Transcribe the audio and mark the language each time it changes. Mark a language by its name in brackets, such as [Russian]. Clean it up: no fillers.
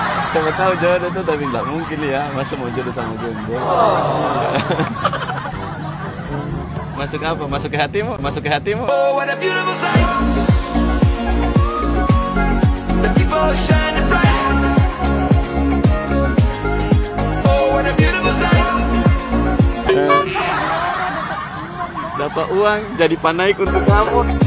[Indonesian] Siapa tahu jodoh itu, tapi nggak mungkin ya, masa mau jodoh sama jomblo. Masuk apa? Masuk ke hatimu? Masuk ke hatimu? [English] Oh, what a beautiful sight. The people shining bright. Oh, what a beautiful sight. [Indonesian] Dapat uang, jadi panaik untuk kamu.